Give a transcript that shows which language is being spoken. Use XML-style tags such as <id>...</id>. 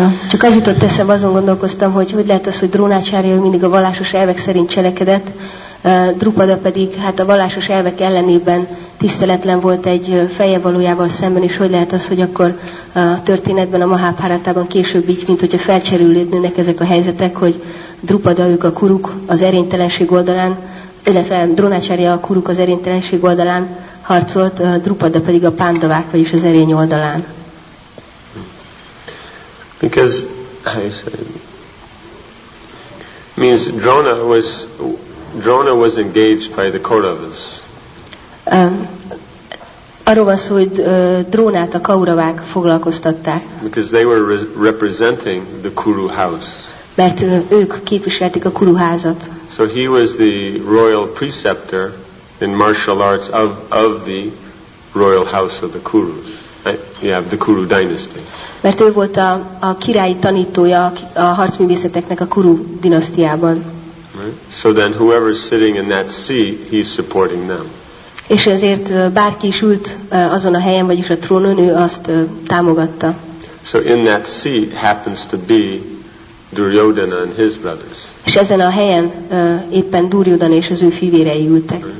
<hu>Csak az jutott eszembe, azon gondolkoztam, hogy lehet az, hogy Drónácsárja mindig a vallásos elvek szerint cselekedett, Drupada pedig hát a vallásos elvek ellenében tiszteletlen volt egy feje valójával szemben, és hogy lehet az, hogy akkor a történetben, a Mahábháratában később így, mint hogyha felcserülődnének ezek a helyzetek, hogy Drupada ők a kuruk az erénytelenség oldalán, illetve Drónácsárja a kuruk az erénytelenség oldalán harcolt, Drupada pedig a pándavák, vagyis az erény oldalán.</hu> <en>Because how you say it, means Drona was engaged by the Kauravas.</en> <hu>Arról van szó, hogy Drónát a Kauravák foglalkoztatták.</hu> <en>Because they were representing the Kuru house.</en> <hu>Mert ők képviselték a Kuru házat.</hu> <en>So he was the royal preceptor in martial arts of the royal house of the Kurus. Yeah, the Kuru dynasty.</en> <hu>Mert ő volt a királyi tanítója a harcművészeteknek a Kuru dinasztiában.</hu> <en>Right. So then whoever is sitting in that seat, he's supporting them.</en> <hu>És ezért bárki is ült azon a helyen, vagyis a trónon, ő azt támogatta.</hu> <en>So in that seat happens to be Duryodhana and his brothers.</en> <hu>És ezen a helyen éppen Duryodhana és az ő fivérei ültek.</hu>